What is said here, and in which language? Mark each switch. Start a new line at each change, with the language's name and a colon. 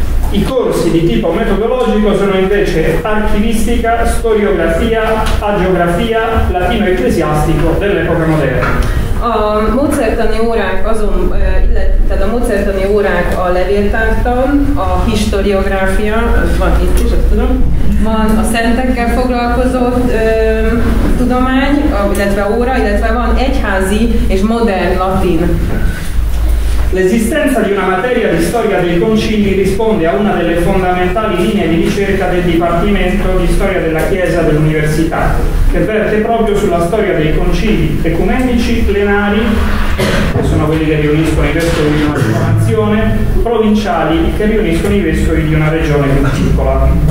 Italian: I corsi di tipo metodologico sono invece archivistica, storiografia, agiografia, latino ecclesiastico dell'epoca moderna.
Hungarian: A módszertani órák a levéltártam, a historiográfia, van itt is, azt tudom, van a szentekkel foglalkozott tudomány, illetve óra, illetve van egyházi és modern latin.
Italian: L'esistenza di una materia di storia dei concili risponde a una delle fondamentali linee di ricerca del Dipartimento di Storia della Chiesa dell'Università, che verte proprio sulla storia dei concili ecumenici, plenari, che sono quelli che riuniscono i vescovi di una denominazione, provinciali, che riuniscono i vescovi di una regione più piccola.